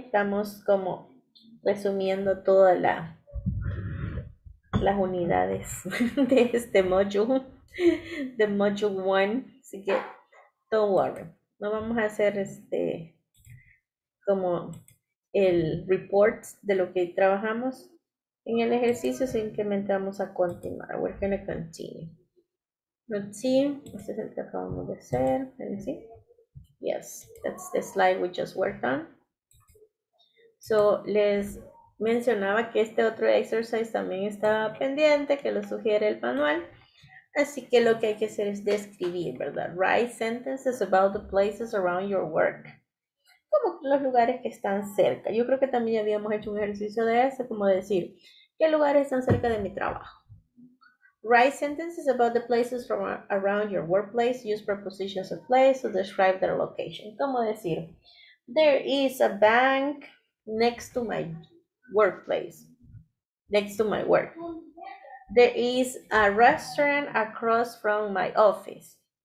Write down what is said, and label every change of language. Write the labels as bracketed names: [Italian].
[Spanish] Estamos como resumiendo toda las unidades de este module, de module 1, así que [English] don't worry, [Spanish] no vamos a hacer este como el report de lo que trabajamos en el ejercicio, simplemente vamos a continuar. [English] We're gonna continue. Let's see, [Spanish] este es el que acabamos de hacer. [English] Let's see. Yes, that's the slide we just worked on. So let's [Spanish] mencionaba que este otro exercise también estaba pendiente, que lo sugiere el manual. Así que lo que hay que hacer es describir, ¿verdad? [English] Write sentences about the places around your work. [Spanish] Como los lugares que están cerca. Yo creo que también habíamos hecho un ejercicio de eso, como decir, ¿qué lugares están cerca de mi trabajo? [English] Write sentences about the places around your workplace. Use prepositions of place to describe their location. [Spanish] Como decir, [English] there is a bank next to my workplace, next to my work. There is a restaurant across from my office.